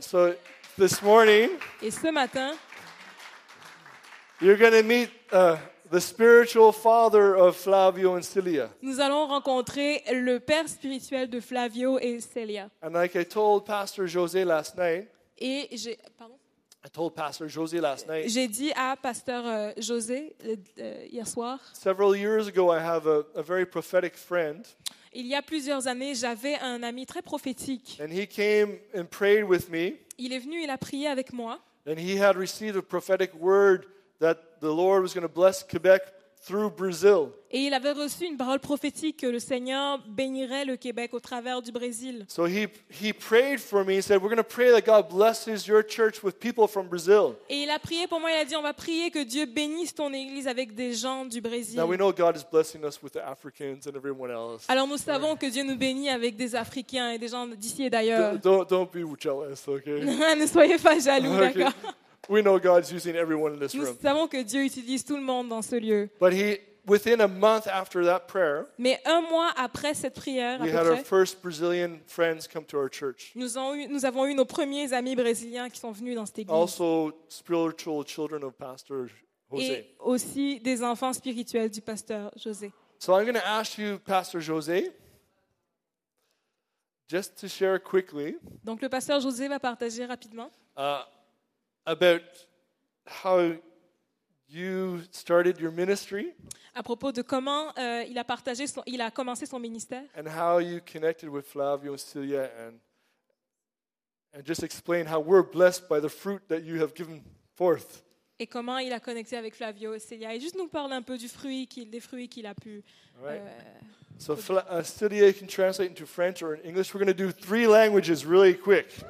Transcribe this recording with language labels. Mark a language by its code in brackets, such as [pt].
[en] So this morning. [fr] Et ce matin. [en] You're going to meet the spiritual father of Flavio and Celia. [fr] Nous allons rencontrer le père spirituel de Flavio et Celia. [en] And like I told Pastor José last night. [fr] J'ai dit à Pasteur José hier soir. [en] Several years ago, I have a very prophetic friend. [fr] Il y a plusieurs années, j'avais un ami très prophétique. [en] And he came and prayed with me. [fr] Il est venu, il a prié avec moi. [en] And he had received a prophetic word that the Lord was going to bless Quebec through Brazil. [fr] Et il avait reçu une parole prophétique que le Seigneur bénirait le Québec au travers du Brésil. [en] So he prayed for me. He said, "We're going to pray that God blesses your church with people from Brazil." [fr] Et il a prié pour moi. Il a dit, "On va prier que Dieu bénisse ton église avec des gens du Brésil." [en] Now we know God is blessing us with the Africans and everyone else. [fr] Alors nous savons que Dieu nous bénit avec des Africains et des gens d'ici et d'ailleurs. [en] Don't be jealous, okay? [fr] Ne soyez pas jaloux, okay. D'accord? [en] We know God's using everyone in this room. [fr] Nous savons que Dieu utilise tout le monde dans ce lieu. [en] But within a month after that prayer, [fr] mais un mois après cette prière, [en] we had our first Brazilian friends come to our church. [fr] Nous avons eu nos premiers amis brésiliens qui sont venus dans cette église. [en] Also, spiritual children of Pastor José. [fr] Et aussi des enfants spirituels du Pasteur José. [en] So I'm going to ask you, Pastor José, just to share quickly. [fr] Donc le Pasteur José va partager rapidement. [en] About how you started your ministry. [fr] À propos de comment il a commencé son ministère. [en] And how you connected with Flavio and Celia, and just explain how we're blessed by the fruit that you have given forth. [fr] Et comment il a connecté avec Flavio et Celia. Et juste nous parle un peu des fruits qu'il a pu. [en] So Celia can translate into French or in English. We're going to do three languages really quick.